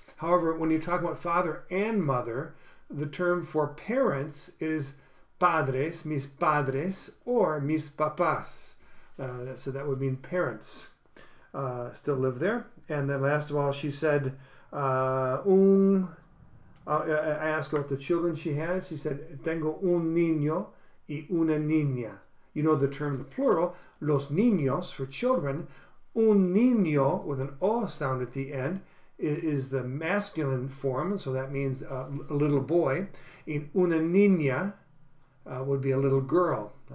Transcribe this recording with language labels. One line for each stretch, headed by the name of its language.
English: However, when you talk about father and mother, the term for parents is
Spanish: padres, mis padres,
English: or
Spanish: mis papás.
English: So that would mean parents still live there. And then last of all, she said, I asked about the children she has. She said,
Spanish: tengo un niño y una niña.
English: You know the term, the plural,
Spanish: los niños,
English: for children.
Spanish: Un niño,
English: with an O sound at the end, is the masculine form, so that means a little boy. In
Spanish: una niña
English: would be a little girl.